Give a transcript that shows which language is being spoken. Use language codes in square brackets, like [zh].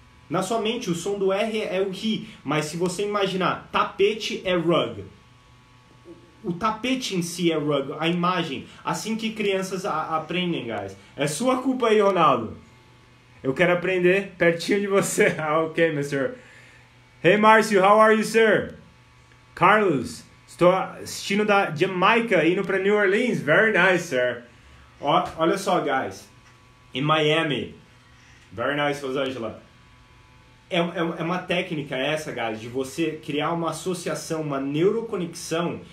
[pt] Na sua mente, o som do R é o ri. Mas se você imaginar, tapete é rug. O tapete em si é rug, a imagem. Assim que crianças aprendem, guys. É sua culpa aí, Ronaldo. Eu quero aprender pertinho de você. [en] Ok, Mr. Hey, Márcio, how are you, sir? [pt] Carlos, estou assistindo da Jamaica, indo para New Orleans. [en] Very nice, sir. Olha só, guys. In Miami. Very nice, Rosângela. [pt] É uma técnica essa, guys, de você criar uma associação, uma neuroconexão.